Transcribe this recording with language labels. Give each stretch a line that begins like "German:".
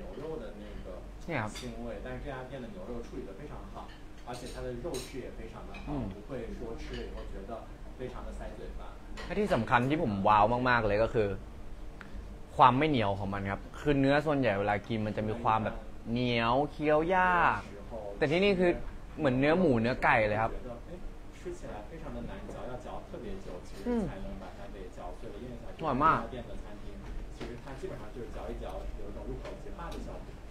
Chinese: 腥味，但是这家店的牛肉处理得非常好，而且它的肉质也非常的好，不会说吃了以后觉得非常的塞嘴巴。
Thai: ที่สำคัญที่ผมว้าวมากๆเลยก็คือความไม่เหนียวของมันครับคือเนื้อส่วนใหญ่เวลากินมันจะมีความแบบเหนียวเคี้ยวยากแต่ที่นี่คือเหมือนเนื้อหมูเนื้อไก่เลยครับ
Chinese: 吃起来非常的难嚼，要嚼特别久，其实才能把它给嚼碎了。因为这家店的餐厅其实它它基本上就是嚼一嚼，有一种入口即化的效果。